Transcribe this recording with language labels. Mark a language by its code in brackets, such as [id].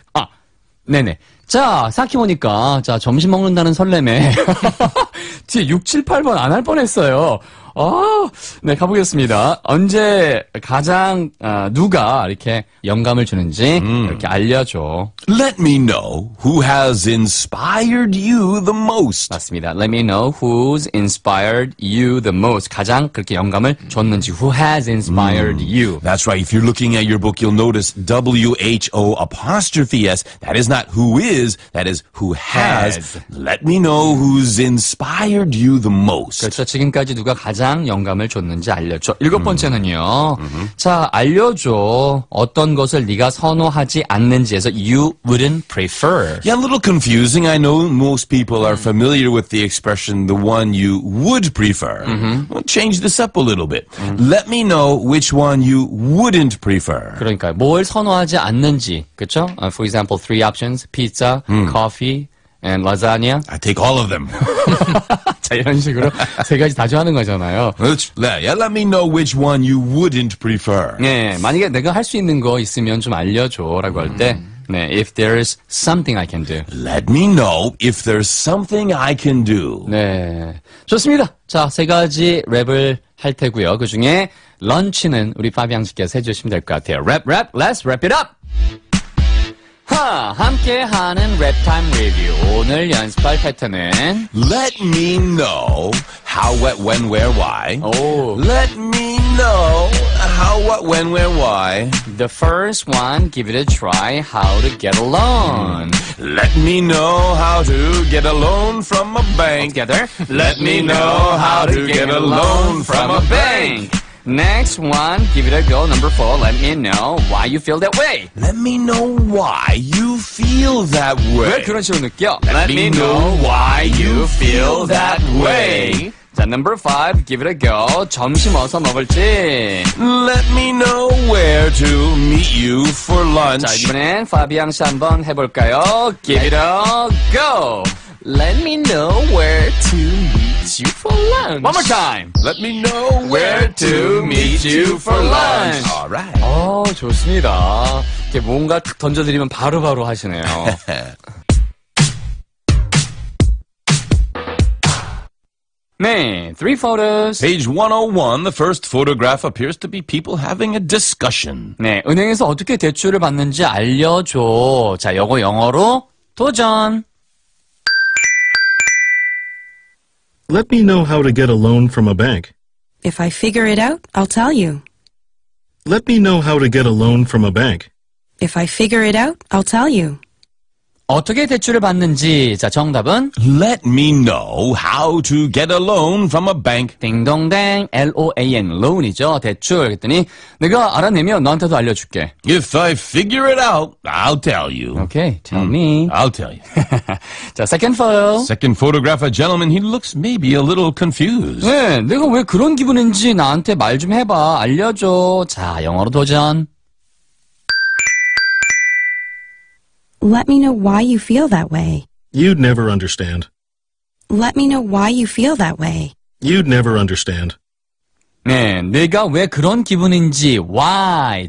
[ko] 아, 네네. 자, 생각해보니까, 자, 점심 먹는다는 설렘에, 뒤에 6, 7, 8번 안 할 뻔했어요. 네, 가보겠습니다. 언제 가장, 누가 이렇게 영감을 주는지, 이렇게 알려줘. [en] Let me know who has inspired you the most. [ko] 맞습니다. [en] Let me know who's inspired you the most. [ko] 가장 그렇게 영감을 줬는지, [en] who has inspired you. That's right. If you're looking at your book, you'll notice W-H-O apostrophe S. That is not who is, that is who has. Let me know who's inspired you the most. [ko] 그렇죠. 지금까지 누가 가장 영감을 줬는지 알려줘. 일곱 번째는요. 자, 알려줘. 어떤 것을 네가 선호하지 않는지에서 [en] you wouldn't prefer. Yeah, a little confusing. I know most people are familiar with the expression the one you would prefer. We'll change this up a little bit. Let me know which one you wouldn't prefer. [ko] 그러니까 뭘 선호하지 않는지. [en] 그렇죠? For example, three options. Pizza, coffee, and lasagna. I take all of them. [ko] 자, 이런 식으로 세 가지 다 좋아하는 거잖아요. [en] Yeah, let me know which one you wouldn't prefer. [ko] 네, 만약에 내가 할 수 있는 거 있으면 좀 알려줘라고 할 때, 네, [en] if there is something I can do. Let me know if there's something I can do. [ko] 네, 좋습니다. 자, 세 가지 랩을 할 테고요. 그 중에 런치는 우리 파비앙 씨께서 해주시면 될 것 같아요. [en] Rap, rap, let's wrap it up! [ko] 함께하는 랩타임 리뷰 오늘 연습할 패턴은 [en] Let me know how, what, when, where, why oh. Let me know how, what, when, where, why The first one, give it a try, how to get a loan Let me know how to get a loan from a bank Together. Let me know how to get a loan from a bank Next one, give it a go, number four, let me know why you feel that way. Let me know why you feel that way. [ko] 왜 그런 식으로 느껴? [en] Let me know why you feel that way. 자, number five, give it a go, [ko] 점심 어디서 먹을지. [en] Let me know where to meet you for lunch. [ko] 자, 이번엔 파비앙 씨 한번 해볼까요? [en] Give it a go. Let me know where to meet you for lunch. One more time. Let me know where to meet you for lunch. All right. [ko] 오, 좋습니다. 이렇게 뭔가 딱 던져드리면 바로바로 하시네요. [en] 네, three photos. Page 101, the first photograph appears to be people having a discussion. [ko] 네, 은행에서 어떻게 대출을 받는지 알려줘. 자, 이거 영어로 도전. [en] Let me know how to get a loan from a bank. If I figure it out, I'll tell you. Let me know how to get a loan from a bank. If I figure it out, I'll tell you. [ko] 어떻게 대출을 받는지 자 정답은 [en] Let me know how to get a loan from a bank. [ko] 딩동댕 L-O-A-N loan이죠 대출 그랬더니 내가 알아내면 너한테도 알려줄게. [en] If I figure it out, I'll tell you. Okay, tell me. I'll tell you. 자 second photo. Second photograph, a gentleman. He looks maybe a little confused. [ko] 네, 내가 왜 그런 기분인지 나한테 말 좀 해봐 알려줘. 자 영어로 도전. [en] Let me know why you feel that way. You'd never understand. Let me know why you feel that way. You'd never understand. [ko] 네, 내가 왜 그런 기분인지 why.